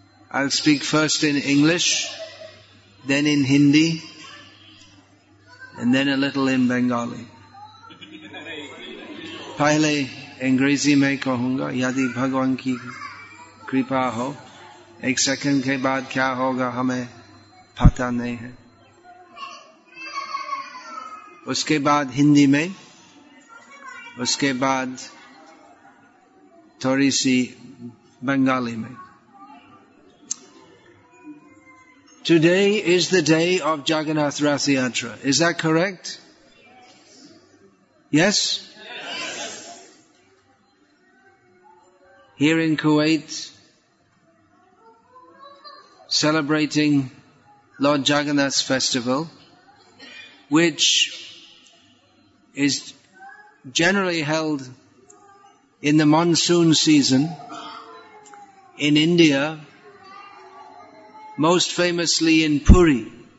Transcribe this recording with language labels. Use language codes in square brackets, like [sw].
[en] I'll speak first in English, then in Hindi, and then a little in Bengali. [hi] पहले अंग्रेज़ी में कहूंगा, यदि भगवान की कृपा हो, एक सेकंड के बाद क्या होगा हमे पता नहीं है. उसके बाद हिंदी में, उसके बाद थोरी सी बंगाली में. [en] Today is the day of Jagannath Ratha-yatra. Is that correct? Yes? Yes? Here in Kuwait, celebrating Lord Jagannath's festival, which is generally held in the monsoon season in India, most famously in Puri.